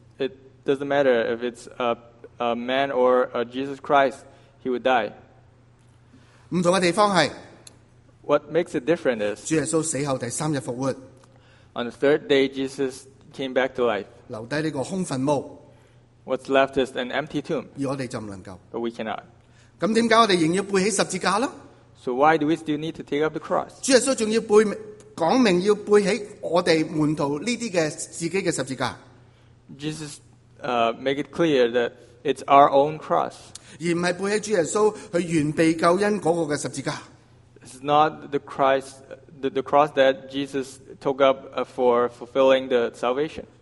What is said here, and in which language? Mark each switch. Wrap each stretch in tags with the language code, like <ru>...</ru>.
<en>It doesn't matter if it's a man or a Jesus Christ, he would die.</en> <zh>不同的地方是。</zh> <en>What makes it different is.</en> <zh>主耶稣死后第三日复活。</zh> <en>On the third day, Jesus came back to life.</en> <zh>留下这个空坟墓。</zh> <en>What's left is an empty tomb.</en> <zh>而我们就不能够。</zh> <en>But we cannot.</en> <zh>那为什么我们仍要背起十字架呢？</zh> <en>So why do we still need to take up the cross?</en> <zh>主耶稣还要背，讲明要背起我们门徒这些的自己的十字架。</zh> <en>Jesus make it clear that it's our own cross.</en> <zh>而不是背起主耶稣去完备救恩那个的十字架。</zh> <en>It's not the cross that Jesus took up for fulfilling the salvation.</en>